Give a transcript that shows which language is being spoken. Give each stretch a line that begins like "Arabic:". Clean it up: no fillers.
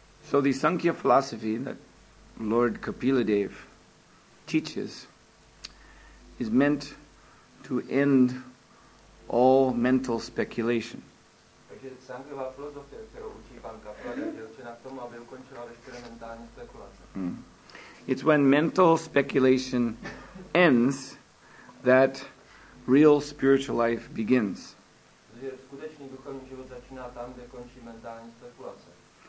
English: So the Sankhya philosophy that Lord Kapiladev teaches is meant to end all mental speculation.
Czech: Takže Sankhya filozofie, kterou učí pan Kapiladev, je učena k tomu, aby ukončila veškeré mentální spekulace.
English: It's when mental speculation ends that real spiritual life begins.
Czech: Takže skutečný duchovní život začíná tam, kde končí mentální spekulace.